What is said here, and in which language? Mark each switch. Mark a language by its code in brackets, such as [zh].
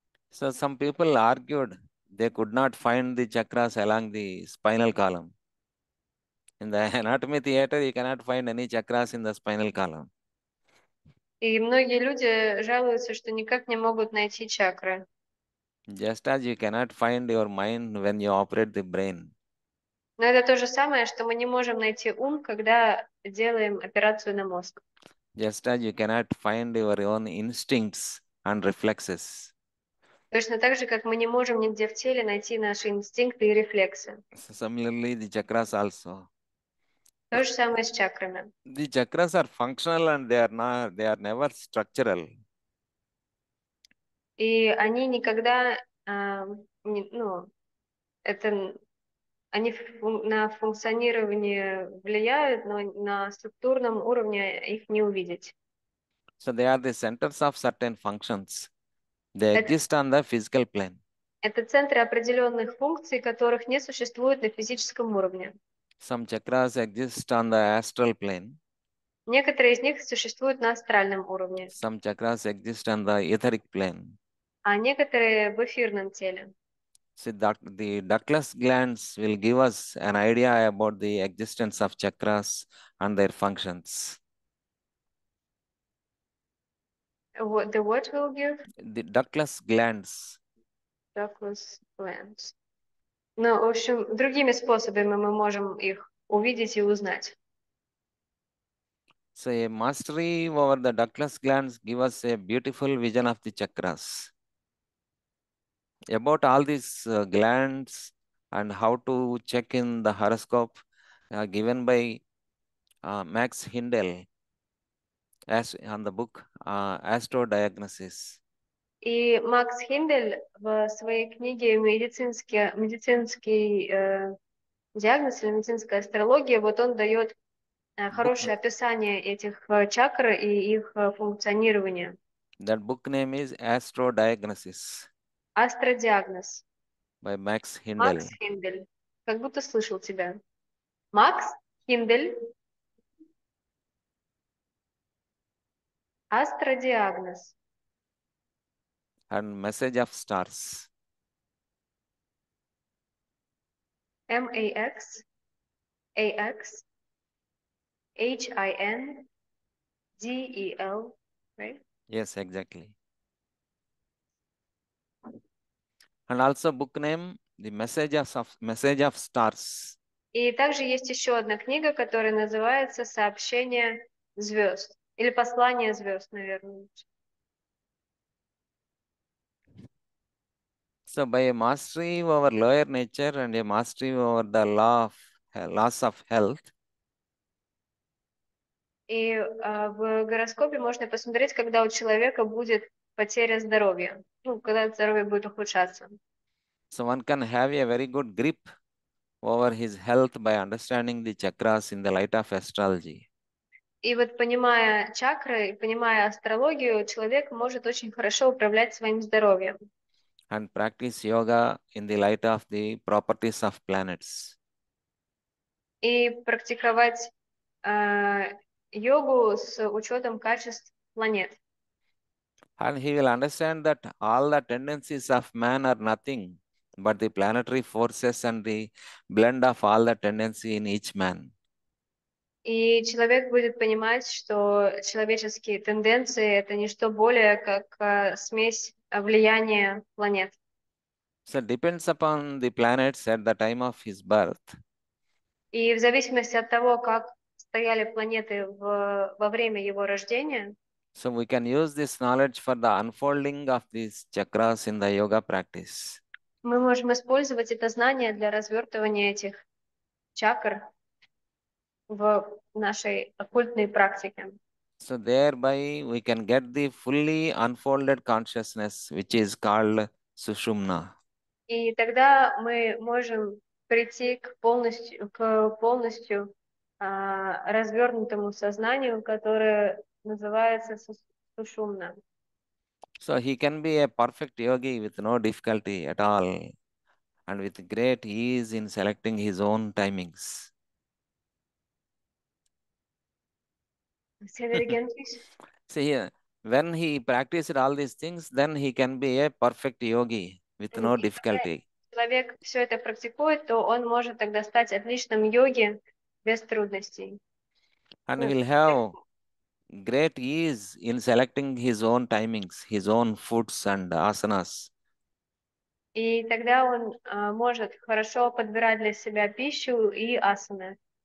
[en] So some people argued they could not find the chakras along the spinal column. In the anatomy theater, you cannot find any chakras in the spinal column. [ru] И многие люди жалуются, что никак не могут найти чакры. [en] Just as you cannot find your mind when you operate the brain. [ru] Но это то же самое, что мы не можем найти ум, когда делаем операцию на мозг. [en] Just as you cannot find your own instincts and reflexes. [ru] Точно так же, как мы не можем нигде в теле найти наши инстинкты и рефлексы. [en] Similarly, the chakras also. [ru] То же самое с чакрами. [en] The chakras are functional and they are never structural. [ru] И они никогда, ну, это они на функционирование влияют, но на структурном уровне их не увидеть. [en] So they are the centers of certain functions. They exist on the physical plane. [ru] Это центры определенных функций, которых не существует на физическом уровне. [en] Some chakras exist on the astral plane. [ru] Некоторые из них существуют на астральном уровне. [en] Some chakras exist on the etheric plane. [ru] А некоторые в эфирном теле. [en] See, the ductless glands will give us an idea about the existence of chakras and their functions. What will give? The ductless glands. Ductless glands. [ru] Ну, в общем, другими способами мы можем их увидеть и узнать. [en] So a mastery over the ductless glands give us a beautiful vision of the chakras. About all these glands and how to check in the horoscope given by Max Hindel as on the book Astro Diagnosis. [ru] И Макс Хиндель в своей книге «Медицинский диагноз» или «Медицинская астрология», вот он дает хорошее описание этих чакр и их функционирования. [en] That book name is Astrodiagnosis [ru] Астродиагноз. [en] by Max [ru] Макс [en] Hindel. [ru] Хиндель. Как будто слышал тебя. Макс Хиндель. Астродиагноз. [en] And Message of Stars. MAX, AX, HIN, DEL, right? Yes, exactly. And also book name, The Message of Stars. [ru] И также есть еще одна книга, которая называется «Сообщение звезд» или «Послание звезд», наверное. [en] So by a mastery of our lower nature and a mastery over the law of loss of health. [ru] И в гороскопе можно посмотреть, когда у человека будет потеря здоровья, ну, когда здоровье будет ухудшаться. [en] So one can have a very good grip over his health by understanding the chakras in the light of astrology. [ru] И вот понимая чакры, понимая астрологию, человек может очень хорошо управлять своим здоровьем. [en] And practice yoga in the light of the properties of planets. [ru] И практиковать йогу с учетом качеств планет. [en] And he will understand that all the tendencies of man are nothing. But the planetary forces and the blend of all the tendency in each man. [ru] И человек будет понимать, что человеческие тенденции — это не что более, как смесь влияния планет. [en] So it depends upon the planets at the time of his birth. [ru] И в зависимости от того, как стояли планеты во время его рождения, [en] So we can use this knowledge for the unfolding of these chakras in the yoga practice. [ru] мы можем использовать это знание для развертывания этих чакр в нашей оккультной практике. [en] So thereby we can get the fully unfolded consciousness, which is called Sushumna. [ru] И тогда мы можем прийти к полностью развернутому сознанию, которое называется сушумна. [en] So he can be a perfect yogi with no difficulty at all, and with great ease in selecting his own timings. Say that again, please. See here, when he practiced all these things, then he can be a perfect yogi with no difficulty. [ru] Человек все это практикует, то он может тогда стать отличным йоги без трудностей. [en] And [ru] Ну, [en] will [ru] легко. [en] have great ease in selecting his own timings, his own foods and asanas. [ru] И тогда он может хорошо подбирать для себя пищу и асаны.